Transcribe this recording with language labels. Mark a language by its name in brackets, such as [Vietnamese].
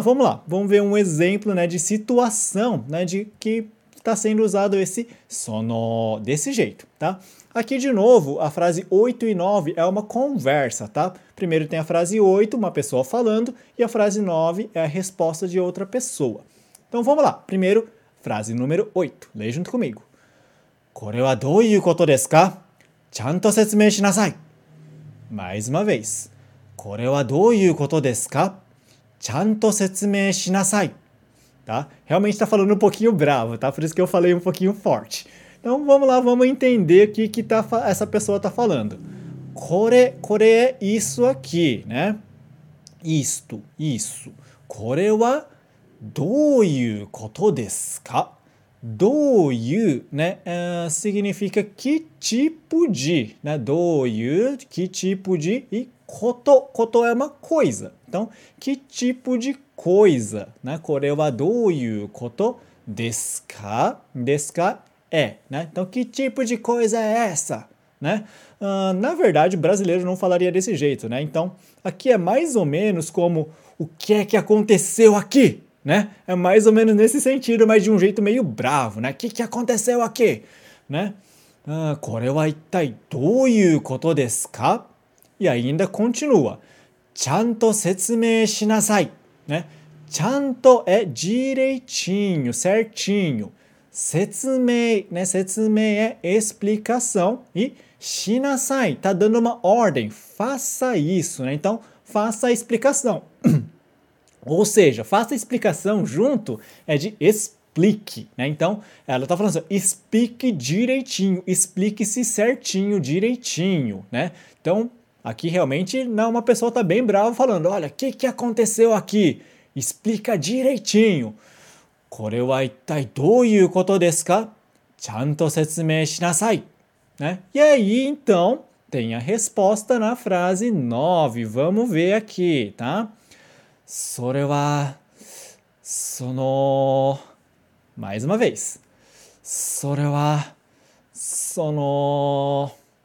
[Portuguese] Vamos ver um exemplo, né, de situação, né, de que está sendo usado esse sono desse jeito, tá? Aqui, de novo, a frase 8 e 9 é uma conversa, tá? Primeiro tem a frase 8, uma pessoa falando, e a frase 9 é a resposta de outra pessoa. Então vamos lá. Primeiro, frase número 8. Leia junto comigo. [Japanese] これはどういうことですか?ちゃんと説明しなさい。 [Portuguese] Mais uma vez. [Japanese] これはどういうことですか?ちゃんと説明しなさい。 [Portuguese] Tá? Realmente está falando um pouquinho bravo, tá? Por isso que eu falei um pouquinho forte. Então vamos lá, vamos entender o que que tá essa pessoa está falando. [Japanese] これ [Portuguese] é isso aqui, né? Isso. [Japanese] これはどういうことですか? どういう、 [Portuguese] né? Significa que tipo de, né? [Japanese] どういう、 [Portuguese] que tipo de, e [Japanese] こと [Portuguese] é uma coisa. Então, que tipo de coisa, né? [Japanese] これはどういうことですか? ですか? [Portuguese] é, né? Então, que tipo de coisa é essa? Né? Na verdade, o brasileiro não falaria desse jeito, né? Então, aqui é mais ou menos como o que é que aconteceu aqui? Né? É mais ou menos nesse sentido, mas de um jeito meio bravo, né? Que aconteceu aqui? Né? [Japanese] これは一体どういうことですか? [Portuguese] E ainda continua. [Japanese] ちゃんと説明しなさい。 [Portuguese] Né? [Japanese] ちゃんと [Portuguese] é direitinho, certinho. 説明, né? 説明é explicação. E Shinasai está dando uma ordem. Faça isso, né? Então, faça a explicação. Ou seja, faça a explicação junto é de explique, né? Então, ela está falando assim, explique direitinho, explique-se certinho, direitinho, né? Então, aqui realmente não, uma pessoa está bem brava falando, olha, o que, que aconteceu aqui? Explica direitinho. [Japanese] これは一体どういうことですか?ちゃんと説明しなさい。 [Portuguese] Né? E aí, então, tem a resposta na frase 9. Vamos ver aqui, tá? [Japanese] それは、その... [Portuguese] Mais uma vez. [Japanese] それは、その...